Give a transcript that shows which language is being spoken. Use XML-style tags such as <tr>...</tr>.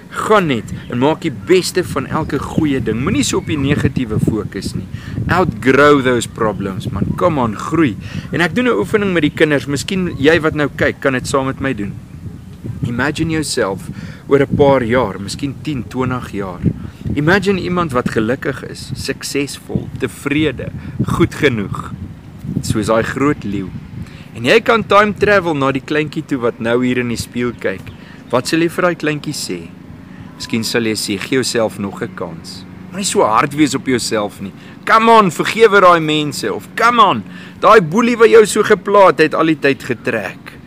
<af>Gaan net en maak die beste van elke goeie ding. Moenie so op die negatiewe fokus nie.</af> <en>Outgrow those problems, man. Come on,</en> <af>groei. En ek doen 'n oefening met die kinders. Miskien jy wat nou kyk, kan dit saam met my doen.</af> <en>Imagine yourself</en> <af>oor 'n paar jaar, miskien 10, 20 jaar. Imagine iemand wat gelukkig is, suksesvol, tevrede, goed genoeg. Soos daai groot leeu. En jy kan time travel na die kleintjie toe wat nou hier in die spieël kyk. Wat sal jy vir daai kleintjie sê? Miskien sal jy sê, gee jouself nog 'n kans. Moenie so hard wees op jouself nie.</af> <en>Come on,</en> <af>vergewe daai mense. Of</af> <en>come on,</en> <af>daai boelie wat jou so geplaat het al die tyd getrek.</af>